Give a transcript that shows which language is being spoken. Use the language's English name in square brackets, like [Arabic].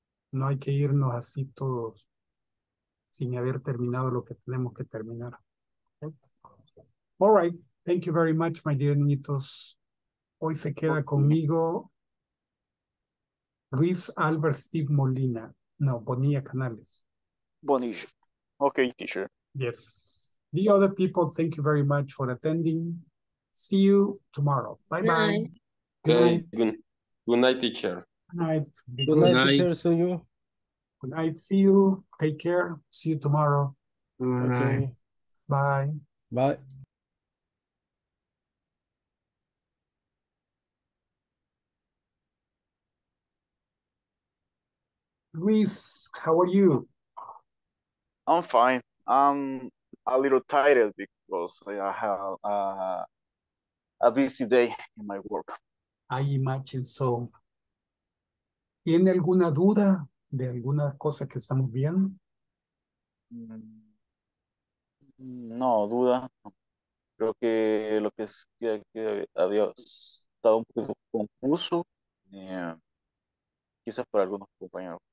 [Spanish] No hay que irnos así todos sin haber terminado lo que tenemos que terminar. [English] Okay. All right. Thank you very much, my dear niñitos. [Spanish] Hoy se queda conmigo [English] Luis Albert Steve Molina. [Spanish] No, Bonilla Canales. [English] Bonilla. Okay, teacher. Yes. The other people, thank you very much for attending. See you tomorrow. Bye-bye. Good night. Good night, teacher. Good night, teacher. See you. Good night. See you. Take care. See you tomorrow. Good night. Bye. Bye. Luis, how are you? I'm fine. I'm a little tired because I have a busy day in my work. I imagine so. [Spanish] ¿Tiene alguna duda de alguna cosa que estamos viendo? No, duda. Creo que lo que es que había estado un poco confuso, quizás para algunos compañeros.